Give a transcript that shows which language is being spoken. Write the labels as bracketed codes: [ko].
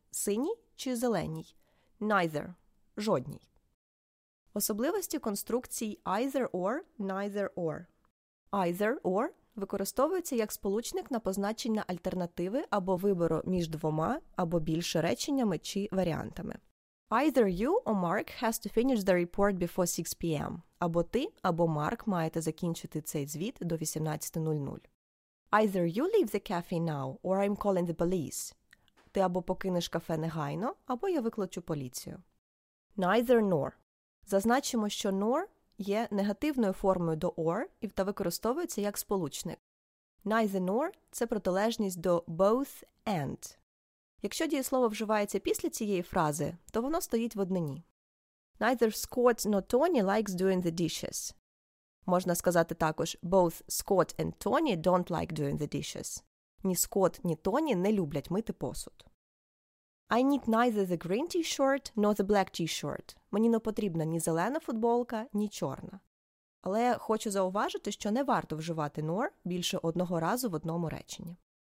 [uk] Синій чи зеленій? Neither. Жодній. Особливості конструкцій either or, neither or. Either or використовується як сполучник на позначення альтернативи або вибору між двома або більше реченнями чи варіантами. [en] Either you or Mark has to finish the report before 6 p.m. [uk] Або ти, або Марк маєте закінчити цей звіт до 18:00. [en] Either you leave the cafe now or I'm calling the police. [uk] Ти або покинеш кафе негайно, або я викличу поліцію. [en] Neither nor. [uk] Зазначимо, що nor є негативною формою до or і та використовується як сполучник. Neither nor – це протилежність до both and. Якщо дієслово вживається після цієї фрази, то воно стоїть в однині. [en] Neither Scott nor Tony likes doing the dishes. [uk] Можна сказати також [en] both Scott and Tony don't like doing the dishes. [uk] Ні Скотт, ні Тоні не люблять мити посуд. [en] I need neither the green t-shirt nor the black t-shirt. [uk] Мені не потрібна ні зелена футболка, ні чорна. Але хочу зауважити, що не варто вживати nor більше одного разу в одному реченні.